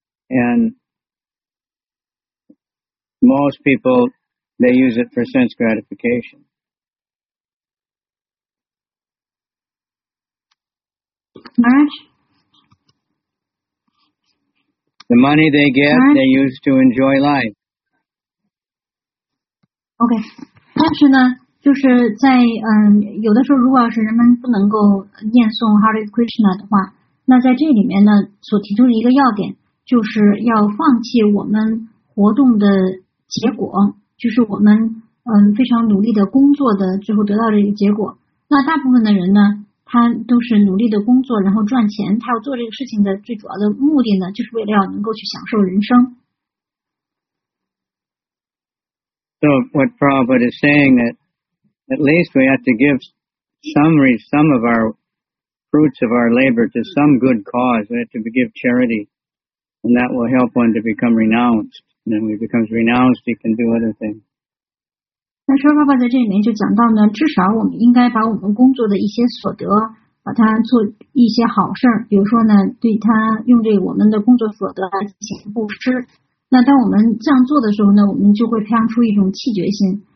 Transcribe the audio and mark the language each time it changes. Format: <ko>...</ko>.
<en>And most people, they use it for sense gratification. The money they get, they use to enjoy life. Okay.</en> <zh>但是呢，就是在有的时候，如果要是人们不能够念诵 Hare Krishna 的话，那在这里面呢，所提出的一个要点，就是要放弃我们活动的结果，就是我们非常努力的工作的最后得到的一个结果。那大部分的人呢？他都是努力的工作，然后赚钱。他要做这个事情的最主要的目的呢，就是为了要能够去享受人生。</zh> <en>So what Prabhupada is saying that at least we have to give some of our fruits of our labor to some good cause. We have to give charity, and that will help one to become renounced. And then when he becomes renounced, he can do other things.</en> <zh>那说爸爸在这里面就讲到呢，至少我们应该把我们工作的一些所得，把它做一些好事儿，比如说呢，对他用这我们的工作所得来进行布施。那当我们这样做的时候呢，我们就会培养出一种气绝心。</zh>